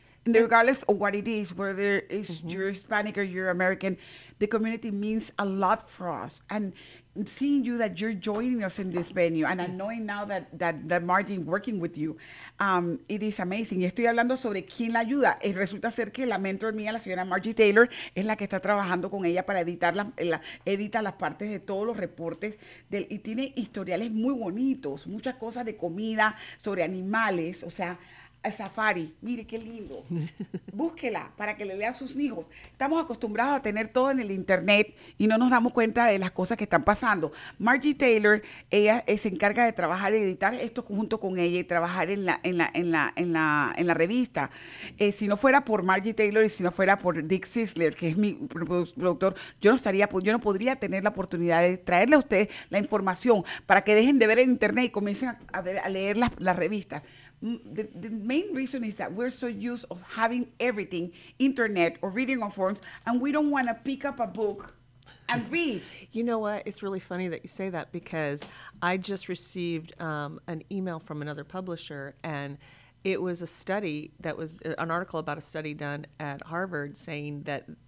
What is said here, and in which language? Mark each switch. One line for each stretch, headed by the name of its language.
English: And regardless of what it is, whether it's mm-hmm. you're Hispanic or you're American, the community means a lot for us. And seeing you that you're joining us in this venue and knowing now that Margie working with you, it is amazing.
Spanish: Y estoy hablando sobre quién la ayuda. Y resulta ser que la mentor mía, la señora Margie Taylor, es la que está trabajando con ella para editar edita las partes de todos los reportes y tiene historiales muy bonitos, muchas cosas de comida, sobre animales, o sea, a safari, mire qué lindo. Búsquela para que le lea a sus hijos. Estamos acostumbrados a tener todo en el internet y no nos damos cuenta de las cosas que están pasando. Margie Taylor, ella se encarga de trabajar y editar esto junto con ella y trabajar en la revista. Si no fuera por Margie Taylor y si no fuera por Dick Sisler, que es mi productor, yo no podría tener la oportunidad de traerle a ustedes la información para que dejen de ver el internet y comiencen a leer las revistas.
English: The main reason is that we're so used of having everything, internet or reading on forums, and we don't want to pick up a book and read. You know what? It's really funny that you say that because I just received an email from another publisher, and it was an article about a study done at Harvard saying that